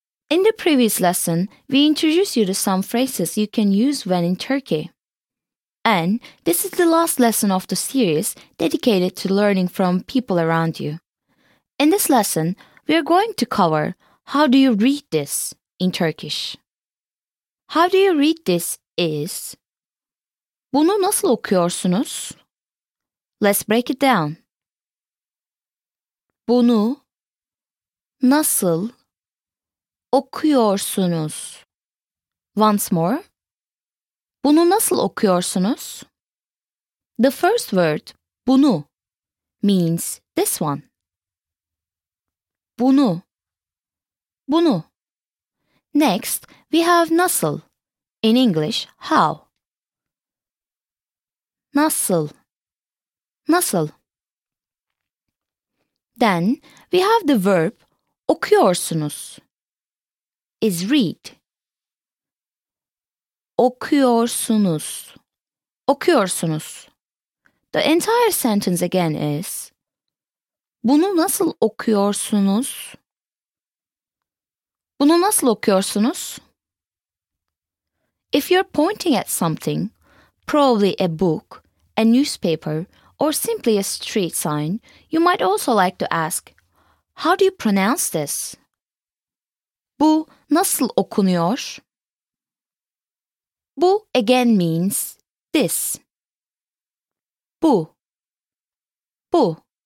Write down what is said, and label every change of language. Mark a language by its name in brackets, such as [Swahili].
[English] In the previous lesson, we introduced you to some phrases you can use when in Turkey. And this is the last lesson of the series dedicated to learning from people around you. In this lesson, we are going to cover how do you read this in Turkish. How do you read this is [Turkish] Bunu nasıl okuyorsunuz? [English] Let's break it down. [Turkish] Bunu nasıl okuyorsunuz? [English] Once more. [Turkish] Bunu nasıl okuyorsunuz? [English] The first word, bunu, means this one. [Turkish] Bunu. Bunu. [English] Next, we have [Turkish] nasıl. [English] In English, how. [Turkish] Nasıl. Nasıl. [English] Then, we have the verb, okuyorsunuz. Is read. [Turkish] Okuyorsunuz. Okuyorsunuz. [English] The entire sentence again is, [Turkish] Bunu nasıl okuyorsunuz? Bunu nasıl okuyorsunuz? [English] If you're pointing at something, probably a book, a newspaper, or simply a street sign, you might also like to ask, How do you pronounce this? [Turkish] Bu nasıl okunuyor? Bu [English] again means this. [Turkish] Bu. Bu.